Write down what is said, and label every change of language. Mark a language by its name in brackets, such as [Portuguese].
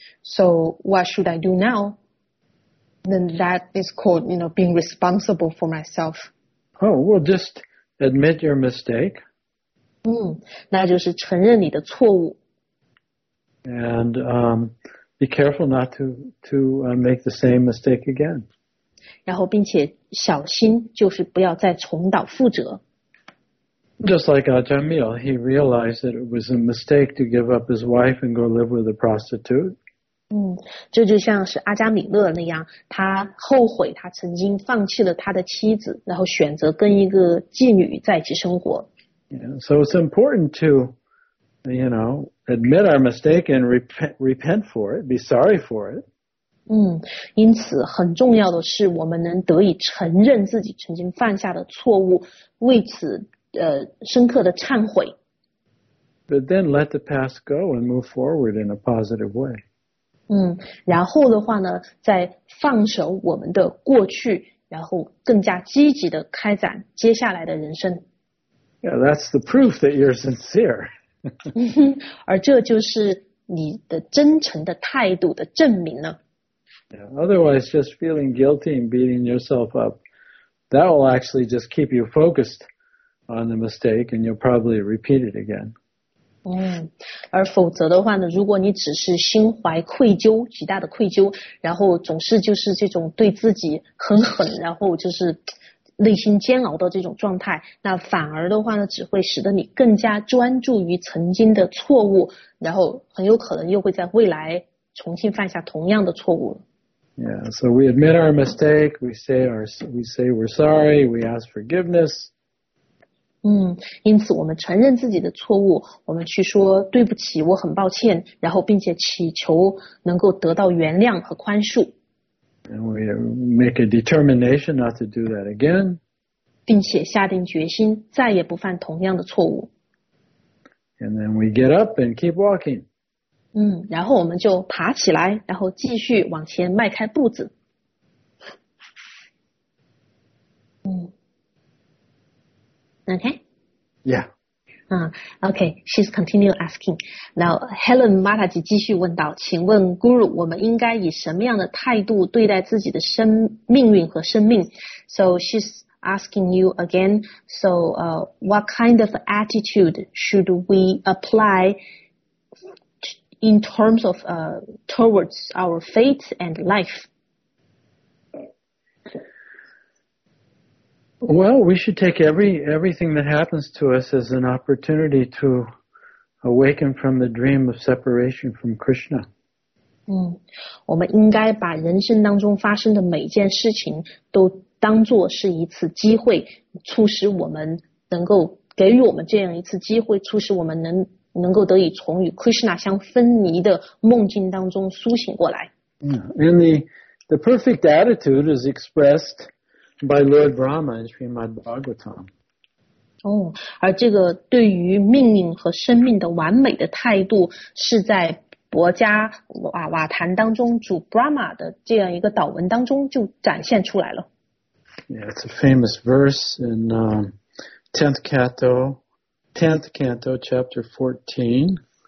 [English] So what should I do now? Then that is called, you know, being responsible for myself. Oh, well, just admit your mistake. [Chinese] 那就是承认你的错误。 [English] And be careful not to make the same mistake again. [Chinese] 然后并且小心就是不要再重蹈覆辙。 [English] Just like Ajamil, he realized that it was a mistake to give up his wife and go live with a prostitute. [Chinese] 这就像是阿加米勒那样，他后悔他曾经放弃了他的妻子，然后选择跟一个妓女在一起生活。 [English] Yeah, so it's important to, you know, admit our mistake and repent for it, be sorry for it. [Chinese] 因此很重要的是我们能得以承认自己曾经犯下的错误，为此深刻的忏悔。 [English] But then let the past go and move forward in a positive way. [Chinese] 然后的话呢，再放手我们的过去，然后更加积极的开展接下来的人生。 [English] Yeah, that's the proof that you're sincere. [Chinese] 而这就是你的真诚的态度的证明了。 [English] Yeah, otherwise, just feeling guilty and beating yourself up, that will actually just keep you focused on the mistake and you'll probably repeat it again. [Chinese] 而否则的话呢，如果你只是心怀愧疚，极大的愧疚，然后总是就是这种对自己很狠，然后就是内心煎熬的这种状态，那反而的话呢，只会使得你更加专注于曾经的错误，然后很有可能又会在未来重新犯下同样的错误。 [English] Yeah, so we admit our mistake, we say we're sorry, we ask forgiveness. [Chinese] 因此我们承认自己的错误，我们去说对不起，我很抱歉，然后并且祈求能够得到原谅和宽恕。 [English] And we make a determination not to do that again. [Chinese] 并且下定决心再也不犯同样的错误。 [English] And then we get up and keep walking. [Chinese] 然后我们就爬起来，然后继续往前迈开步子。 [English] Okay? Yeah. Okay, she's continue asking. Now, [Chinese] Helen Mataji 继续问道，请问 Guru, 我们应该以什么样的态度对待自己的命运和生命？ [English] So she's asking you again, so what kind of attitude should we apply in terms of towards our fate and life? Well, we should take everything that happens to us as an opportunity to awaken from the dream of separation from Krishna. [Chinese] 我们应该把人生当中发生的每件事情都当作是一次机会，促使我们能够给予我们这样一次机会，促使我们能够得以从与 Krishna 相分离的梦境当中苏醒过来。 [English] And the perfect attitude is expressed by Lord Brahma in Srimad Bhagavatam. [Chinese] 而这个对于命运和生命的完美的态度是在博迦瓦坛当中主 Brahma 的这样一个祷文当中就展现出来了。 [English] Yeah, it's a famous verse in 10th canto, chapter 14.